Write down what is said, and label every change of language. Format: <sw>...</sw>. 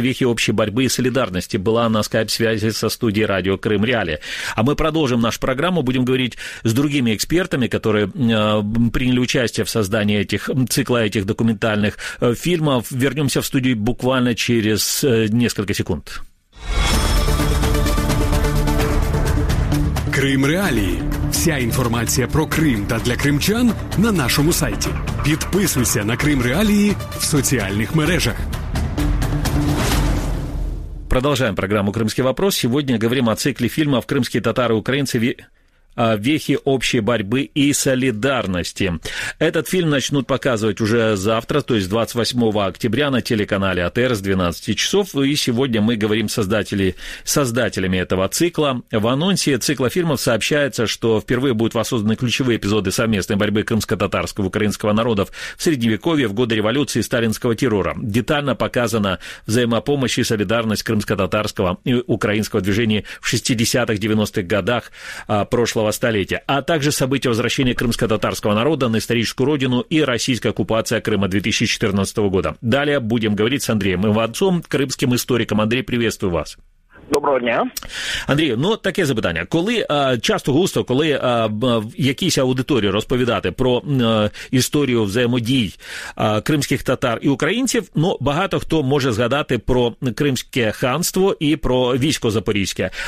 <ru>Вехи общей борьбы и солидарности», была на скайп-связи со студией радио «Крым Реали». А мы продолжим нашу программу, будем говорить с другими экспертами, которые приняли участие в создании этих документальных фильмов. Вернемся в студию буквально через несколько секунд.</ru> <uk>Крым Реалії. Вся інформація про Крим та для кримчан на нашому сайті. Підписуйся на Крим Реалії в соціальних мережах. Продовжуємо програму «Кримський вопрос». Сьогодні говоримо о циклі фільмів «Кримські татари-українці».</uk> <ru>«Вехи общей борьбы и солидарности». Этот фильм начнут показывать уже завтра, то есть 28 октября на телеканале АТР с 12 часов. И сегодня мы говорим с создателями этого цикла. В анонсе цикла фильмов сообщается, что впервые будут воссозданы ключевые эпизоды совместной борьбы крымско-татарского и украинского народов в Средневековье в годы революции и сталинского террора. Детально показана взаимопомощь и солидарность крымско-татарского и украинского движения в 60-х-90-х годах прошлого столетия, а также события возвращения крымско-татарского народа на историческую родину и российская оккупация Крыма 2014 года. Далее будем говорить с Андреем Иванцом, крымским историком. Андрей, приветствую вас.</ru> <uk>Доброго дня. Андрій, ну таке запитання. Коли часто-густо, коли в якійсь аудиторії розповідати про історію взаємодій кримських татар і українців, ну багато хто може згадати про Кримське ханство і про військо Запорізьке.</uk>